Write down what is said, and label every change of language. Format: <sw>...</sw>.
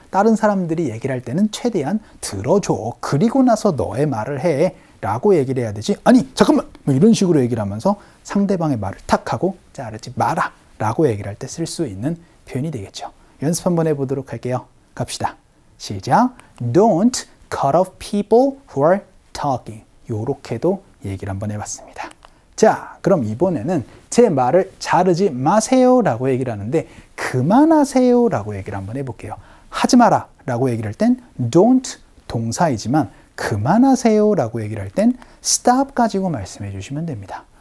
<ko>다른 사람들이 얘기를 할 때는 최대한 들어줘, 그리고 나서 너의 말을 해 라고 얘기를 해야 되지, 아니 잠깐만 뭐 이런 식으로 얘기를 하면서 상대방의 말을 탁 하고 자르지 마라 라고 얘기를 할 때 쓸 수 있는 표현이 되겠죠. 연습 한번 해보도록 할게요. 갑시다. 시작.</ko> <en>Don't cut off people who are talking.</en> <ko>요렇게도 얘기를 한번 해봤습니다. 자, 그럼 이번에는 제 말을 자르지 마세요 라고 얘기를 하는데 그만하세요 라고 얘기를 한번 해볼게요. 하지 마라 라고 얘기를 할 땐 don't 동사이지만 그만하세요 라고 얘기를 할 땐 stop 가지고 말씀해 주시면 됩니다.</ko>